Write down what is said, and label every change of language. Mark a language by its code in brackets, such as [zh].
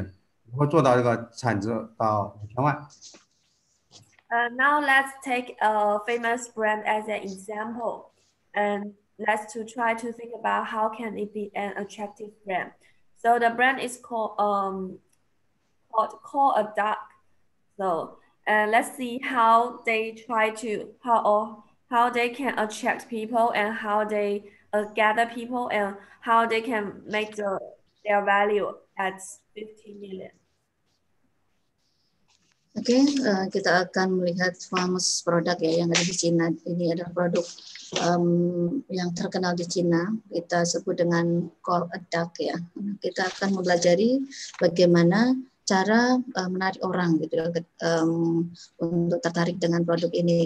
[en] Thank you. [zh] 那么怎样做一个吸引人、关注聚集人的一个品牌呢？比如这里边，他这里边举了一个例子，就是一个叫了个鸭子，这是一个品牌，他怎样去设计，然后呢，让这个更吸引人呢？如何聚集人，如何做到这个产值到5000万？ [en] Now let's take a famous brand as an example, and let's to try to think about how can it be an attractive brand. So the brand is called a duck. So let's see how they try to how they can attract people and how they gather people and how they can make their value at 15 million. [id] Oke, okay, kita akan melihat famous produk ya yang ada di Cina. Ini adalah produk yang terkenal di Cina. Kita sebut dengan call a duck ya. Kita akan mempelajari bagaimana cara menarik orang gitu untuk tertarik dengan produk ini.